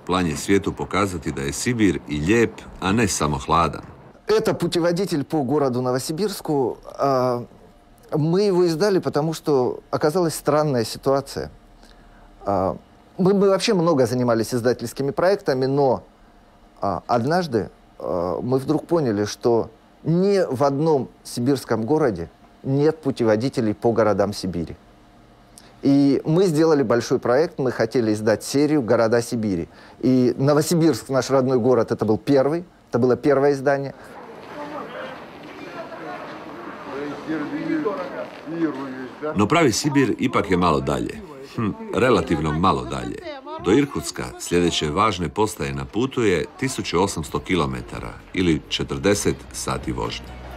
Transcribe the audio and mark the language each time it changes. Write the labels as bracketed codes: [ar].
[hr] Plan je svijetu pokazati da je Sibir i lijep, a ne samo hladan. [ru] Это путеводитель по городу Новосибирску. Мы его издали, потому что оказалась странная ситуация. Мы вообще много занимались издательскими проектами, но однажды мы вдруг поняли, что ни в одном сибирском городе нет путеводителей по городам Сибири. И мы сделали большой проект, мы хотели издать серию «Города Сибири». И Новосибирск, наш родной город, это был первый, это было первое издание. Сибирь, дорогая. [sr] Но прави Сибир ипак је мало даље. Релативно мало даље. До Иркутска, следеће важне постаје на путу је 1800 километара или 40 сати вожње.